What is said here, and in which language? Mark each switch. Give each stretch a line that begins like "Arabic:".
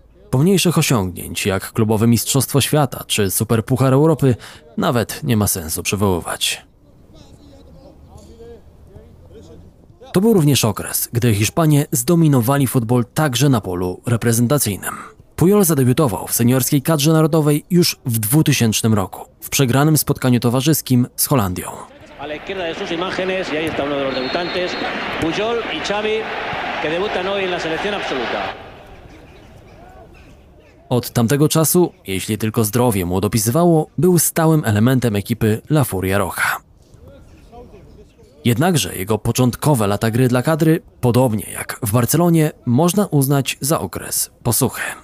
Polish: Po mniejszych osiągnięć, jak klubowe Mistrzostwo Świata czy Super Puchar Europy, nawet nie ma sensu przywoływać. To był również okres, gdy Hiszpanie zdominowali futbol także na polu reprezentacyjnym. Puyol zadebiutował w seniorskiej kadrze narodowej już w 2000 roku, w przegranym spotkaniu towarzyskim z Holandią.
Spanish: A la izquierda de sus imágenes, y ahí está uno de los debutantes, Puyol y Xavi, que debutan hoy en la selección absoluta.
Polish: Od tamtego czasu, jeśli tylko zdrowie mu dopisywało, był stałym elementem ekipy La Furia Roja. Jednakże jego początkowe lata gry dla kadry, podobnie jak w Barcelonie, można uznać za okres posuchy.